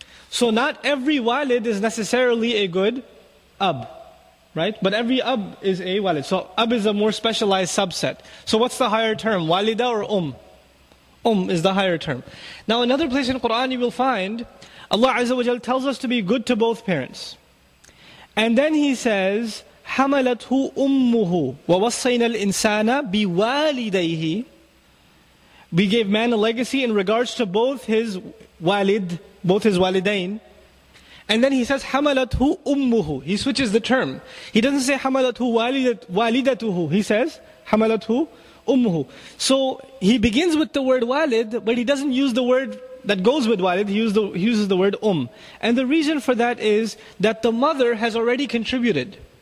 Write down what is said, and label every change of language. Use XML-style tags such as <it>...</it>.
<en>So not every walid is necessarily a good ab, right? But every ab is a walid. So ab is a more specialized subset. So what's the higher term, walida or is the higher term. Now another place in Quran you will find, Allah Azza wa Jal tells us to be good to both parents.</en> <ar>And then he says, حَمَلَتْهُ أُمُّهُ وَوَصَّيْنَا الْإِنسَانَ بِوَالِدَيْهِ.</ar> <en>We gave man a legacy in regards to both his walid, both his walidain. And then he says,</en> <ar>حَمَلَتْهُ أُمُّهُ.</ar> <en>He switches the term. He doesn't say,</en> <ar>حَمَلَتْهُ وَالِدَتُهُ.</ar> <en>He says,</en> <ar>حَمَلَتْهُ أُمُّهُ.</ar> <en>So he begins with the word walid, but he doesn't use the word that goes with walid, he uses the word And the reason for that is that the mother has already contributed.</en>